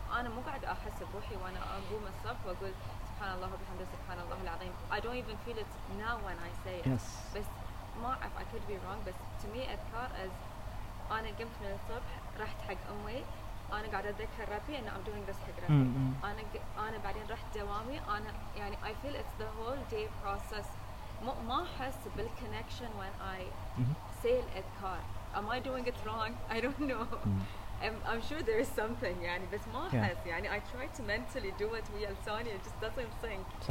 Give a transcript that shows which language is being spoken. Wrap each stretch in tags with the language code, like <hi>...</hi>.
<ar>أنا مو قاعد أحس بروحي وأنا أقوم الصبح وأقول سبحان الله وبحمد سبحان الله العظيم.</ar> <en>I don't even feel it now when I say it. Yes.</en> <ar>بس ما أعرف,</ar> <en>I could be wrong, but to me</en> <ar>أذكار is أنا قمت من الصبح رحت حق أمي, أنا قاعدة أذكر ربي إن</ar> <en>I'm doing this</en> <ar>حق ربي. أنا بعدين رحت دوامي, أنا يعني</ar> <en>I feel it's the whole day process.</en> <ar>Ma has</ar> <en>the connection when I say al-adhkar. Am I doing it wrong? I don't know. I'm sure there is something, yani, but</en> <ar>ma has,</ar> <en>yani, I try to mentally do it with al-sani, it just doesn't sink.</en>